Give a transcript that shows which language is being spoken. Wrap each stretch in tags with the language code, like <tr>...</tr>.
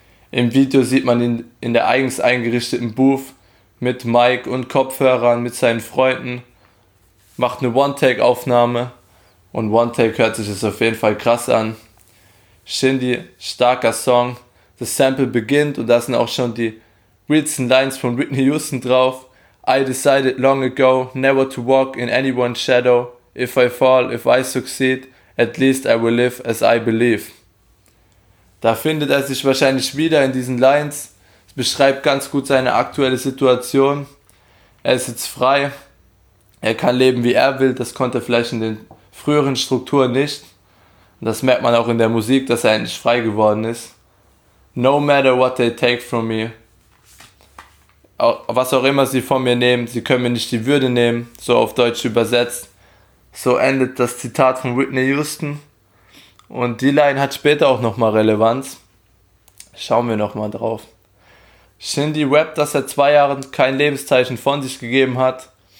<de>Im Video sieht man ihn in der eigens eingerichteten Booth mit Mic und Kopfhörern, mit seinen Freunden. Macht eine One-Take-Aufnahme und One-Take hört sich das auf jeden Fall krass an. Shindy, starker Song. Das Sample beginnt und da sind auch schon die realsten Lines von Whitney Houston drauf.</de> <en>I decided long ago never to walk in anyone's shadow. If I fall, if I succeed, at least I will live as I believe.</en> <de>Da findet er sich wahrscheinlich wieder in diesen Lines. Es beschreibt ganz gut seine aktuelle Situation. Er ist jetzt frei. Er kann leben, wie er will. Das konnte er vielleicht in den früheren Strukturen nicht. Und das merkt man auch in der Musik, dass er endlich frei geworden ist.</de> <en>No matter what they take from me.</en> <de>Was auch immer sie von mir nehmen, sie können mir nicht die Würde nehmen. So auf Deutsch übersetzt. So endet das Zitat von Whitney Houston. Und die Line hat später auch nochmal Relevanz. Schauen wir nochmal drauf. Shindy rappt, dass er 2 Jahre kein Lebenszeichen von sich gegeben hat.</de>